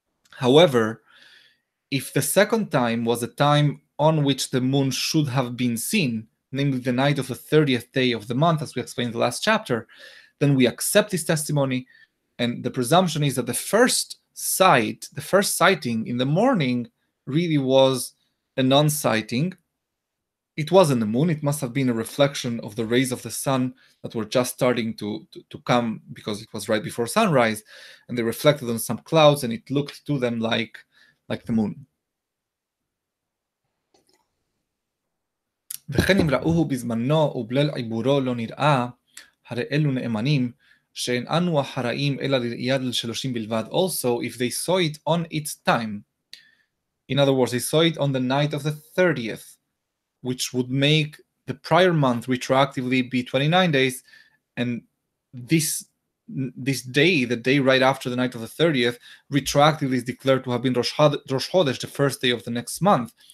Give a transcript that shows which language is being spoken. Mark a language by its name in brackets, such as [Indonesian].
[English] However, if the second time was a time on which the moon should have been seen, namely the night of the 30th day of the month, as we explained in the last chapter, then we accept this testimony, and the presumption is that the first sighting in the morning really was a non-sighting. It wasn't the moon, it must have been a reflection of the rays of the sun that were just starting to come, because it was right before sunrise, and they reflected on some clouds and it looked to them like the moon. [Hebrew] וכן אם ראוהו בזמנו ובליל עיבורו לא נראה, הרי אלו נאמנים, שאינו אחראים אלא לראיית שלושים בלבד. [English] Also, if they saw it on its time, in other words, they saw it on the night of the 30th, which would make the prior month retroactively be 29 days, and this day, the day right after the night of the 30th, retroactively is declared to have been Rosh Chodesh, the first day of the next month.